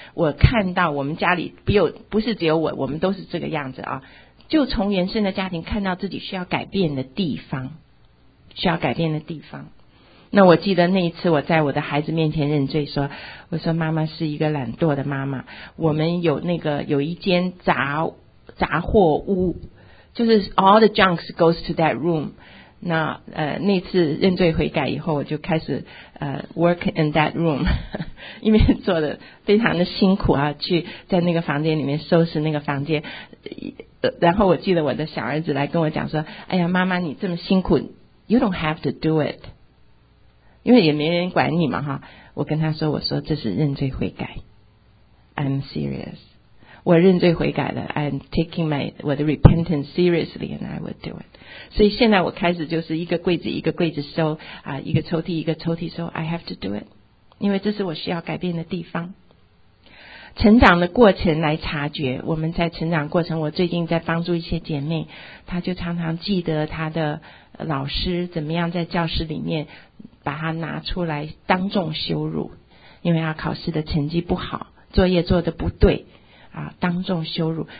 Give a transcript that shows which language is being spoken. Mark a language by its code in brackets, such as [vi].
[zh] 我看到我们家里不是只有我们都是这个样子啊。就从原生的家庭看到自己需要改变的地方，需要改变的地方。那我记得那一次我在我的孩子面前认罪，我说妈妈是一个懒惰的妈妈。我们有那个有一间杂货屋，就是 [en] all the junks goes to that room。 [zh] 那次认罪悔改以后，我就开始 [en] work in that room， [zh] 因为做的非常的辛苦啊，去在那个房间里面收拾那个房间。然后我记得我的小儿子来跟我讲说，哎呀妈妈你这么辛苦， [en] you don't have to do it， [zh] 因为也没人管你嘛哈。我跟他说，我说这是认罪悔改， [en] I'm serious， [zh] 我认罪悔改了， [en] I'm taking my repentance seriously and I will do it。 [zh] 所以现在我开始就是一个柜子一个柜子收啊，一个抽屉一个抽屉收， [en] I have to do it， [zh] 因为这是我需要改变的地方。成长的过程来察觉，我们在成长过程，我最近在帮助一些姐妹，她就常常记得她的老师怎么样在教室里面把他拿出来当众羞辱，因为他考试的成绩不好，作业做得不对啊，当众羞辱。